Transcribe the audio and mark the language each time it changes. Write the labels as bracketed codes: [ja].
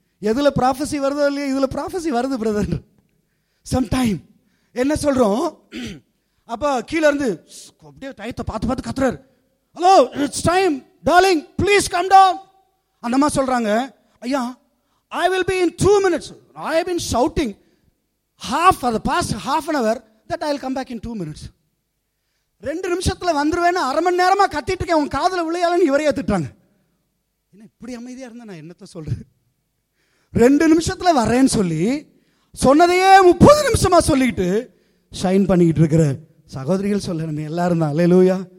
[ta] எதில் ப்ராஃபஸி வருதோ இல்லையோ, இதில் ப்ராஃபஸி வருது பிரதர். சம்டைம் என்ன சொல்கிறோம், அப்போ கீழே இருந்து அப்படியே டயத்தை பார்த்து பார்த்து கத்துறாரு, [en] Hello it's time darling please come down. [ta] Annamma சொல்றாங்க, ஐயா [en] I will be in 2 minutes. I have been shouting half for the past half an hour that I will come back in 2 minutes. [ta] ரெண்டு நிமிஷத்துல வந்துருவேன்னு அரை மணி நேரமா கத்திட்டு இருக்கேன், உன் காதல விளையாளன்னு இவரே ஏத்துட்டாங்க. என்ன இப்படி அமைதியா இருந்தா நான் என்னத்த சொல்றேன், ரெண்டு நிமிஷத்துல வர்றேன்னு சொல்லி சொன்னதையே 30 நிமிஷமா சொல்லிக்கிட்டு ஷைன் பண்ணிக்கிட்டு இருக்கிற சகோதரிகள் சொல்லணும் எல்லாரும் தான். அல்லேலூயா.